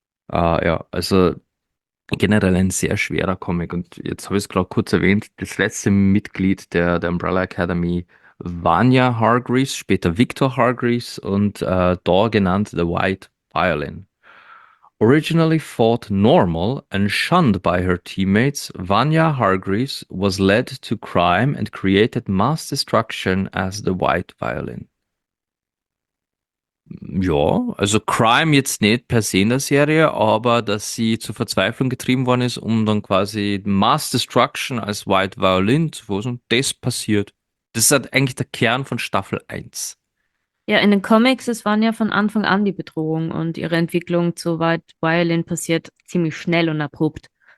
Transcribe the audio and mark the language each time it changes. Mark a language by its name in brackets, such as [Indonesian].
[German] Ja, also. Generell ein sehr schwerer Comic. Und jetzt habe ich es gerade kurz erwähnt. Das letzte Mitglied der Umbrella Academy waren ja Hargreaves, später Victor Hargreaves und da genannt The White Violin. [English] Originally thought normal and shunned by her teammates, Vanya Hargreaves was led to crime and created mass destruction as The White Violin. [German] Ja, also Crime jetzt nicht per se in der Serie, aber dass sie zur Verzweiflung getrieben worden ist, um dann quasi Mass Destruction als White Violin zu verursachen, das passiert. Das ist halt eigentlich der Kern von Staffel 1. Ja, in den Comics, es waren ja von Anfang an die Bedrohung und ihre Entwicklung zu White Violin passiert ziemlich schnell und abrupt.